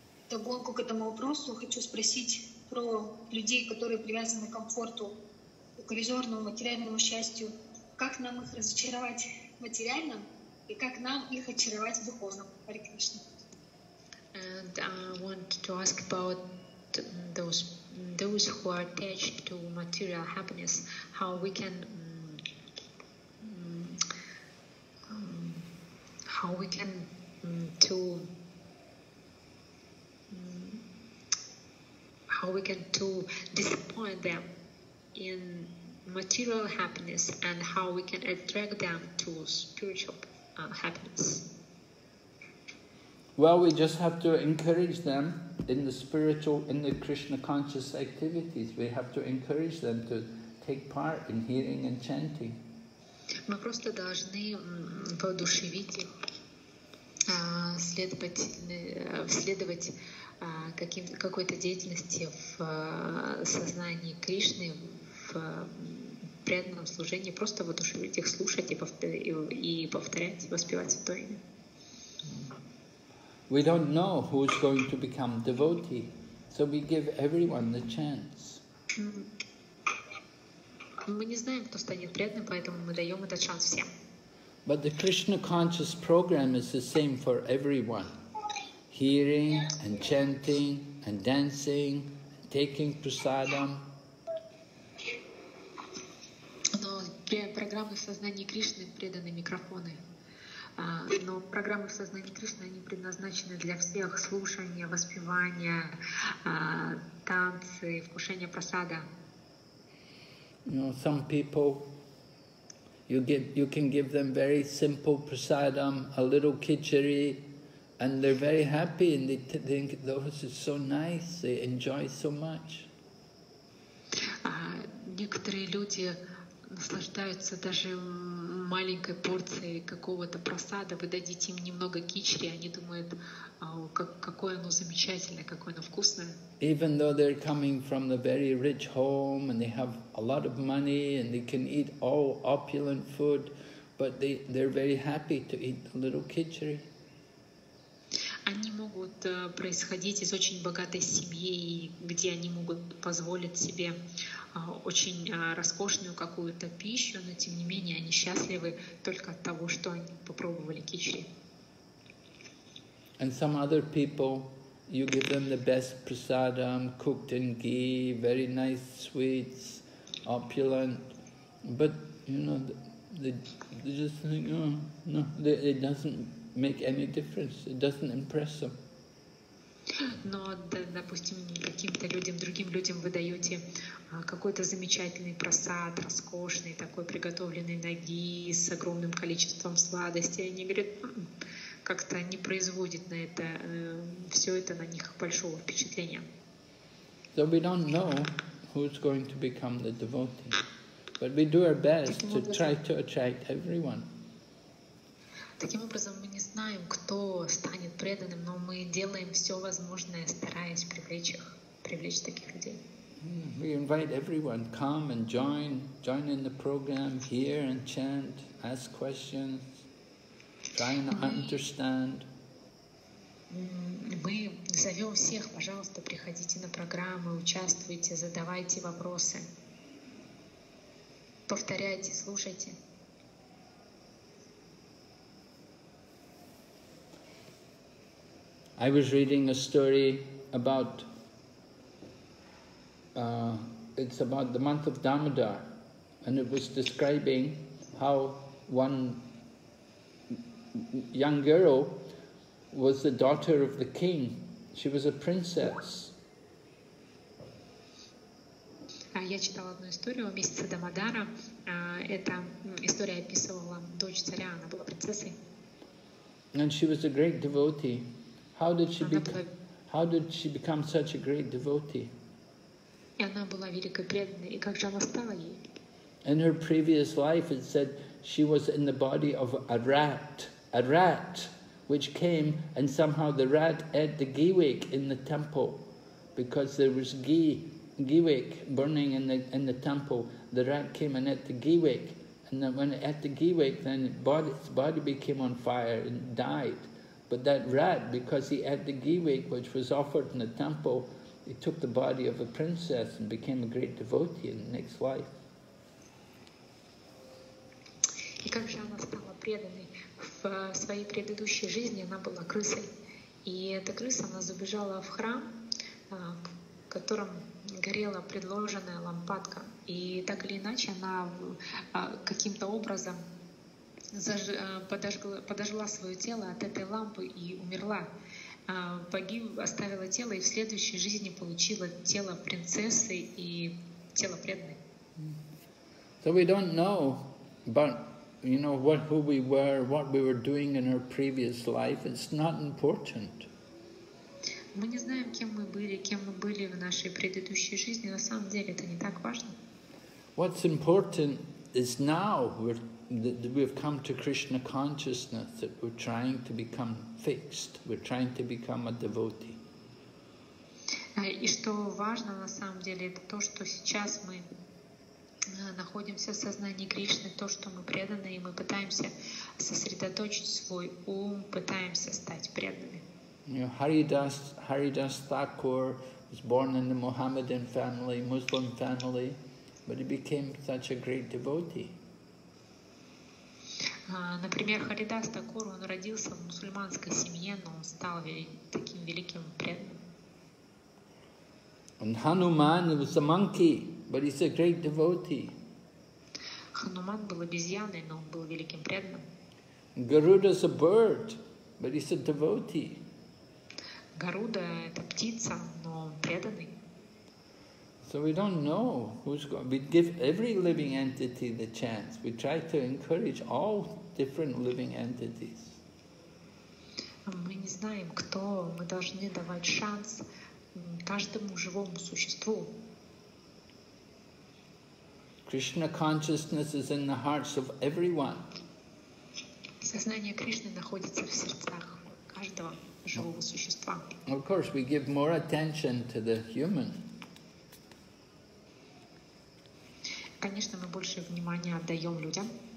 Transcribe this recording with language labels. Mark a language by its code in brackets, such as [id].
[ru] Догонку к этому вопросу хочу спросить про людей, которые привязаны к комфорту, к иллюзорному материальному счастью. Как нам их разочаровать в материальном и как нам их очаровать в духовном? [en] Hare Krishna. And I want to ask about those who are attached to material happiness, how we can how we can disappoint them in material happiness and how we can attract them to spiritual happiness. Well, we just have to encourage them in the spiritual, in the Krishna conscious activities. We have to encourage them to take part in hearing and chanting. [ru] Мы просто должны воодушевить их, следовать какой-то деятельности в сознании Кришны, в преданном служении, просто воодушевить их, слушать и повторять, и воспевать святое имя. [en] We don't know who is going to become devotee, so we give everyone the chance. [ru] Мы не знаем, кто станет преданным, поэтому мы даем этот шанс всем. [en] But the Krishna conscious program is the same for everyone. Hearing and chanting and dancing, and taking prasadam. [ru] Но программы сознания Кришны преданы микрофоны. Но программы сознания Кришны, они предназначены для всех: слушания, воспевания, танцы, вкушения прасада. [en] You know, some people, you can give them very simple prasadam, a little khichdi, and they're very happy, and they think, this is so nice, they enjoy so much. [ru] Некоторые люди наслаждаются даже маленькой порцией какого-то просада, вы дадите им немного кичри, они думают, какое оно замечательное, какое оно вкусное. [en] Even though they're coming from the very rich home and they have a lot of money and they can eat all opulent food, but they're very happy to eat a little khichri. [ru] Они могут происходить из очень богатой семьи, где они могут позволить себе очень роскошную какую-то пищу, но тем не менее они счастливы только от того, что они попробовали кичри. [en] And some other people, you give them the best prasadam, cooked in ghee, very nice sweets, opulent, but you know, they just think, oh, no, it doesn't make any difference, it doesn't impress them. [ru] Но, допустим, каким-то людям, другим людям вы даете какой-то замечательный просад, роскошный, такой приготовленный на ги, с огромным количеством сладостей. Они говорят, как-то не производит на это, все это на них большого впечатления. [en] So we don't know who's going to become the devotee, but we do our best to try to attract everyone. [ru] Таким образом, мы не знаем, кто станет преданным, но мы делаем все возможное, стараясь привлечь таких людей. [en] We invite everyone, come and join in the program, hear and chant, ask questions, try and understand. [ru] Мы зовем всех, пожалуйста, приходите на программы, участвуйте, задавайте вопросы, повторяйте, слушайте. [en] I was reading a story about, it's about the month of Damodar, and it was describing how one young girl was the daughter of the king. She was a princess. [ru] Я читала одну историю о месяце Дамодара. Эта история описывала дочь царя, она была принцессой. [en] And she was a great devotee. How did she become such a great devotee? [ru] И она была великой преданной. И как же она стала ей? [en] In her previous life, it said she was in the body of a rat, which came and somehow the rat ate the giwik in the temple, because there was giwik burning in the temple. The rat came and ate the giwik, and then when it ate the giwik, then its body became on fire and died. But that rat, because he ate the giwik, which was offered in the temple, he took the body of a princess and became a great devotee in the next life. [ru] И как же она стала преданной? В своей предыдущей жизни она была крысой. И эта крыса, она забежала в храм, в котором горела предложенная лампадка. И так или иначе, она каким-то образом подожгла свое тело от этой лампы и умерла. Оставила тело и в следующей жизни получила тело принцессы и тело преданной. [en] So we don't know, but you know what, who we were, what we were doing in our previous life, it's not important. [ru] Мы не знаем, кем мы были в нашей предыдущей жизни, на самом деле это не так важно. [en] What's important is now we have come to Krishna consciousness, that we're trying to become fixed, we're trying to become a devotee. [ru] И что важно на самом деле, это то, что сейчас мы находимся в сознании Кришны, то, что мы преданы, и мы пытаемся сосредоточить свой ум, пытаемся стать преданными. [en] You know, Haridas Thakur was born in the Mohammedan family, Muslim family, but he became such a great devotee. [ru] Например, Харидас Такур, он родился в мусульманской семье, но он стал таким великим преданным. [en] And Hanuman was a monkey, but he's a great devotee. [ru] Хануман был обезьяной, но он был великим преданным. [en] Garuda is a bird, but he's a devotee. [ru] Гаруда — это птица, но он преданный. [en] So we don't know who's going. We give every living entity the chance. We try to encourage all different living entities. [ru] Мы не знаем, кто. Мы должны давать шанс каждому живому существу. [en] Krishna consciousness is in the hearts of everyone. [ru] Сознание Кришны находится в сердцах каждого живого существа. [en] Of course, we give more attention to the human. [ru] Конечно, мы больше внимания отдаем людям.